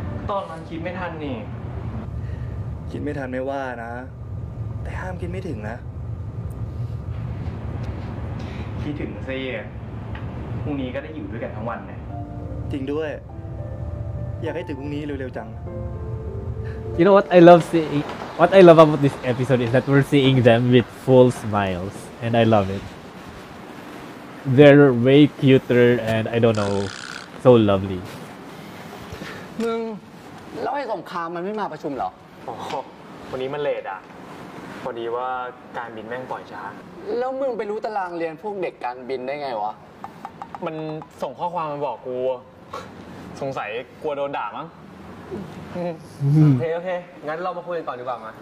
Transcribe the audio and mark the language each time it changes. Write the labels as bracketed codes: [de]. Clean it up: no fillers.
[th] ตอนนั้นคิดไม่ทันนี่ คิดไม่ทันไม่ว่านะแต่ห้ามคิดไม่ถึงนะ คิดถึงซิพรุ่งนี้ก็ได้อยู่ด้วยกันทั้งวันไง จริงด้วยอยากให้ถึงพรุ่งนี้เร็วๆจัง [en] You know what I love seeing what I love about this episode is that we're seeing them with full smiles and I love it they're way cuter and I don't know so lovely [th] มึงแล้วไอ้สงครามมันไม่มาประชุมหรอ วันนี้มันเลทอ่ะพอดีว่าการบินแม่งปล่อยช้า แล้วมึงไปรู้ตารางเรียนพวกเด็กการบินได้ไงวะ มันส่งข้อความมาบอกกูสงสัยกลัวโดนด่ามั้งโอเคโอเคงั้นเรามาคุยกันก่อนดีกว่ามั้ย